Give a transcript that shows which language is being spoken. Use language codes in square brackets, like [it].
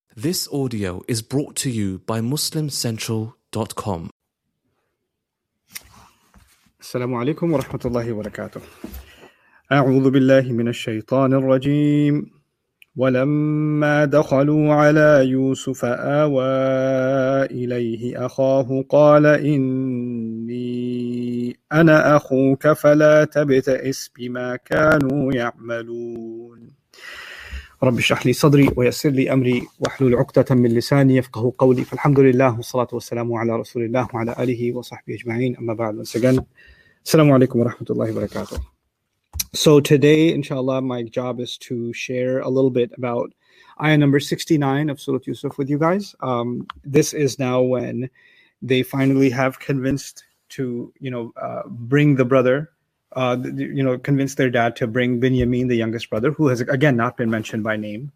[en] This audio is brought to you by MuslimCentral.com. [ar] السلام عليكم ورحمة الله وبركاته. أعوذ بالله من الشيطان الرجيم. ولما دخلوا على يوسف آوى إليه أخاه قال إني أنا أخوك فلا تبتئس بما كانوا يعملون. رب اشرح لي صدري ويسر لي أمري واحلل عقدة من لساني يفقه قولي. فالحمد لله والصلاة والسلام على رسول الله وعلى آله وصحبه أجمعين. أما بعد، سجن السلام عليكم ورحمة الله وبركاته. [en] So today, inshallah, my job is to share a little bit about ayah number 69 of Surah Yusuf with you guys. This is now when they finally have convinced to, you know, bring the brother, you know, convince their dad to bring Binyamin, the youngest brother, who has, again, not been mentioned by name.